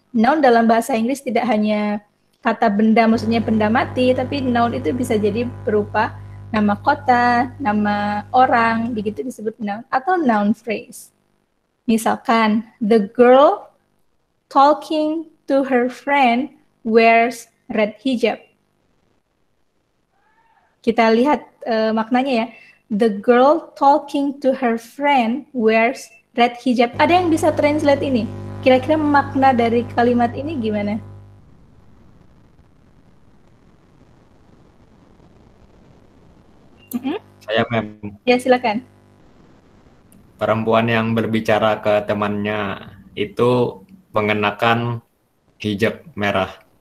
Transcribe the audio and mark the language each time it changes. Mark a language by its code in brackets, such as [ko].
[id] Noun dalam bahasa Inggris tidak hanya kata benda, maksudnya benda mati, tapi noun itu bisa jadi berupa nama kota, nama orang, begitu disebut noun, atau noun phrase. [en] Misalkan, the girl talking to her friend wears red hijab. [id] Kita lihat maknanya ya. [en] The girl talking to her friend wears red hijab. [id] Ada yang bisa translate ini? Kira-kira makna dari kalimat ini gimana? Saya mem. Ya, silakan. Perempuan yang berbicara ke temannya itu mengenakan hijab merah.